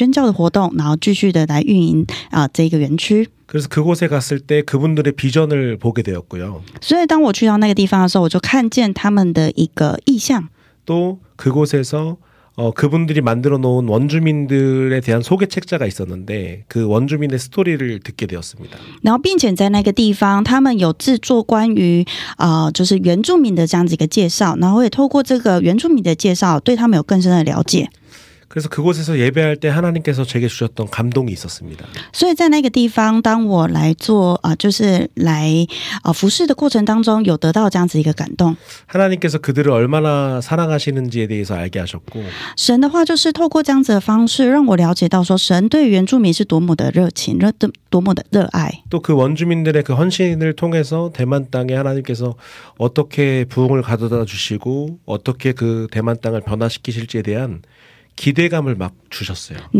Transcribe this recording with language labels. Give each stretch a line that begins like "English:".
Chinese: 我们的牧师夫妇呢，他们很久之前，然后就到那个地方来开拓，然后现在呢是为了神的国要来做宣教的活动，然后继续的来运营这个园区。
Korean: 그래서 그곳에 갔을 때 그분들의 비전을 보게 되었고요.
Chinese: 所以当我去到那个地方的时候，我就看见他们的一个意向。
Korean: 또 그곳에서 그분들이 만들어 놓은 원주민들에 대한 소개 책자가 있었는데 그 원주민의 스토리를 듣게 되었습니다.
Chinese: 然后并且在那个地方，他们有制作关于就是原住民的这样子一个介绍，然后也透过这个原住民的介绍，对他们有更深的了解。
Korean: 그래서 그곳에서 예배할 때 하나님께서 제게 주셨던 감동이 있었습니다.
Chinese: 所以在那个地方当我来做就是来服侍的过程当中有得到这样子一个感动
Korean: 하나님께서 그들을 얼마나 사랑하시는지에 대해서 알게 하셨고
Chinese: 神的话就是透过这样子的方式让我了解到说神对原住民是多么的热情多么的热爱
Korean: 또 그 원주민들의 그 헌신을 통해서 대만 땅에 하나님께서 어떻게 부흥을 가져다 주시고 어떻게 그 대만 땅을 변화시키실지에 대한 기대감을 막 주셨어요.